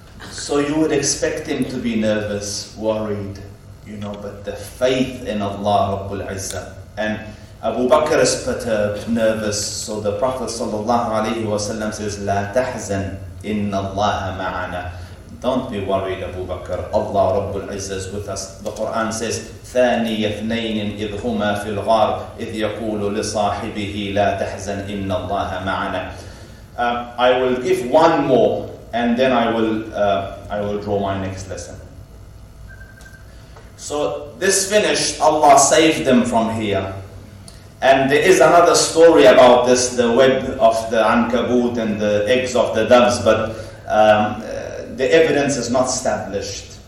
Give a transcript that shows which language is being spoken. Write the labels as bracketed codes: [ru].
[en] So you would expect him to be nervous, worried, you know, but the faith in Allah Rabbul Izzah. And Abu Bakr is perturbed, nervous, so the Prophet ﷺ says, [ar] لا تحزن Inna Allah ma'ana. [en] Don't be worried, Abu Bakr. Allah Rabbul Izzah is with us. The Quran says, [ar] ثاني اثنين إذ هما في الغار إذ يقول لصاحبه لا تحزن إن الله معنا. [en] I will give one more, and then I will draw my next lesson. So this finished. Allah saved them from here. And there is another story about this, the web of the Ankabut and the eggs of the doves, but the evidence is not established.